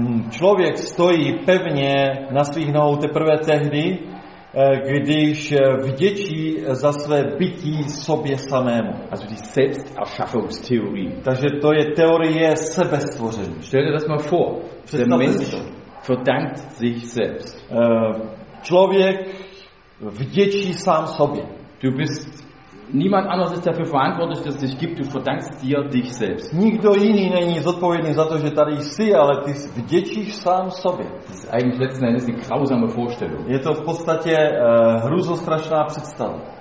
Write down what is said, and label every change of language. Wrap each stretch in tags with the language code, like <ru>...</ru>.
<cs>Člověk stojí pevně na svých nohou teprve tehdy, když vděčí za své bytí sobě samému.</cs> <de>Also die Selbsterschaffungstheorie.</de> <cs>Takže to je teorie sebestvoření.</cs> <de>Stell dir das mal vor. Der Mensch verdankt sich selbst.</de> <cs>Člověk vděčí sám sobě.</cs> <de>Du bist niemand anders ist dafür verantwortlich, dass es dich gibt, du verdankst dir dich selbst.</de> <cs>Nikdo jiný není zodpovědný za to, že tady jsi, ale ty vděčíš sám sobě.</cs> <de>Das ist eigentlich letzten Endes eine grausame Vorstellung.</de> <cs>Je to v podstatě hruzostrašná představa.</cs>